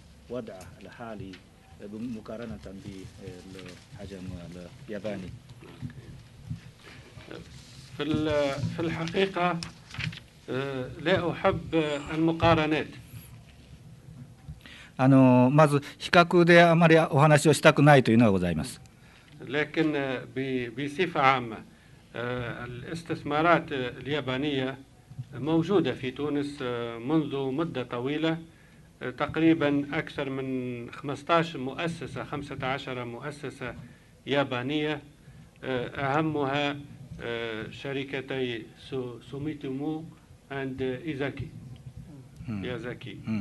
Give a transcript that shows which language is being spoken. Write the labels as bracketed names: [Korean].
[Arabic] مقارنة بالحجم الياباني. في الحقيقة لا أحب المقارنات. [Japanese] まず比較であまりお話をしたくないというのがございます。 [Arabic] لكن بصفة عامة الاستثمارات اليابانية موجودة في تونس منذ مدة طويلة. تقريبا أكثر من 15 مؤسسة 15 مؤسسة يابانية أهمها شركتي سوميتومو أند إيزاكي يازاكي。